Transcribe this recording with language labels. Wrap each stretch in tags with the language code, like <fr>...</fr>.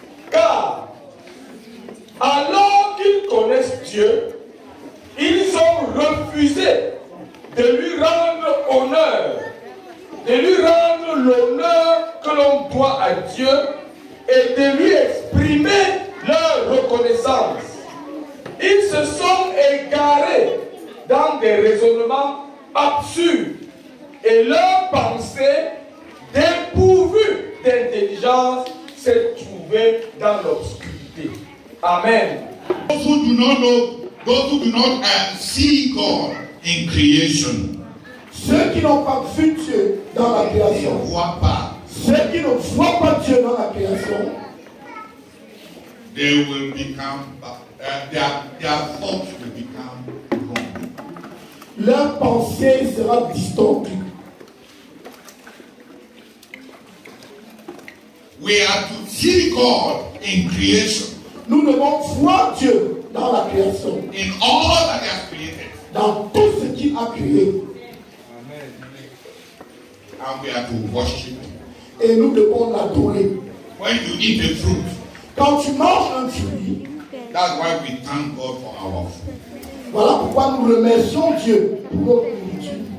<fr>Car, alors qu'ils connaissent Dieu, ils ont refusé de lui rendre honneur, de lui rendre l'honneur que l'on doit à Dieu et de lui exprimer leur reconnaissance. Ils se sont égarés dans des raisonnements absurde et leur pensée dépourvue d'intelligence s'est trouvée dans l'obscurité. Amen.</fr> <en>Those who do not know, those who do not see God in creation,</en> <fr>ceux qui n'ont pas vu Dieu dans la création, ne voient pas. Ceux qui ne voient pas Dieu dans la création,</fr> <en>they will become their thoughts will become.</en> <fr>Leur pensée sera distordue.</fr> <en>We are to see God in creation.</en> <fr>Nous devons voir Dieu dans la création.</fr> <en>In all that He has created.</en> <fr>Dans tout ce qu'il a créé.</fr> <en>Amen. And we are to worship.</en> <fr>Et nous devons l'adorer.</fr> <en>When you eat the fruit.</en> <fr>Quand tu manges un fruit.</fr> <en>That's why we thank God for our food.</en> <fr>Voilà pourquoi nous remercions Dieu pour notre nourriture.</fr>